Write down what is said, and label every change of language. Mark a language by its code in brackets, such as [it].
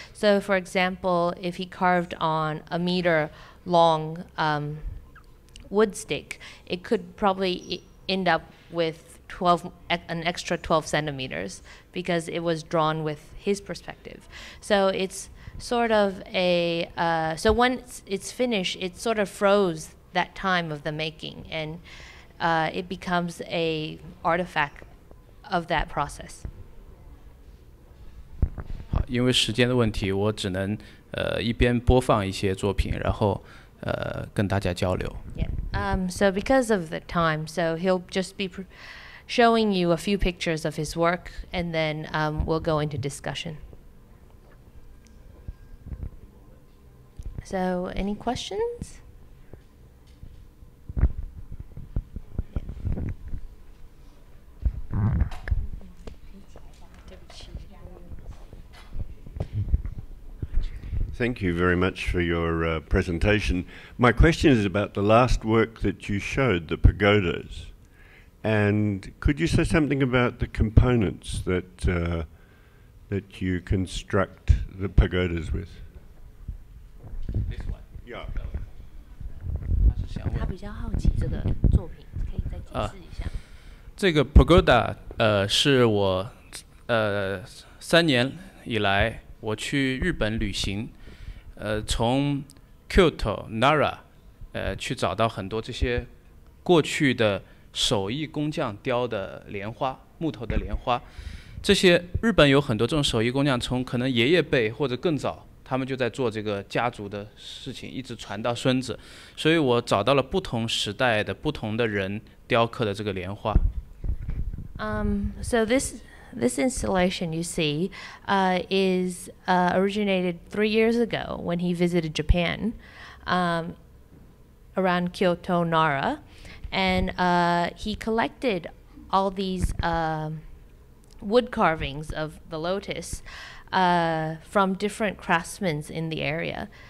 [en] So for example, if he carved on a meter long wood stick, it could probably end up with an extra 12 centimeters because it was drawn with his perspective. So it's sort of a, so once it's finished, it sort of froze that time of the making, and it becomes a artifact of that process. [zh] 因为时间的问题，我只能一边播放一些作品，然后跟大家交流。 [en] Yeah. So because of the time, so he'll just be showing you a few pictures of his work, and then we'll go into discussion. So, any questions? Thank you very much for your presentation. My question is about the last work that you showed, the pagodas. And could you say something about the components that that you construct the pagodas with? This one? Yeah. [zh] 他比较好奇这个作品，可以再解释一下。这个 pagoda 是我三年以来我去日本旅行。从 Kyoto Nara 去找到很多这些过去的手艺工匠雕的莲花木头的莲花这些日本有很多这种手艺工匠从可能爷爷辈或者更早他们就在做这个家族的事情一直传到孙子所以我找到了不同时代的不同的人雕刻的这个莲花 [en] So this installation you see is originated 3 years ago when he visited Japan around Kyoto Nara, and he collected all these wood carvings of the lotus from different craftsmen in the area.